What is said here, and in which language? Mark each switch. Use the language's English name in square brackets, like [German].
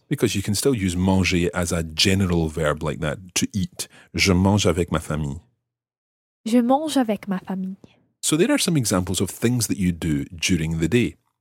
[English] Because you can still use manger as a general verb like that, to eat. [French] Je mange avec ma famille. Je mange avec ma famille. [English] So there are some examples of things that you do during the day.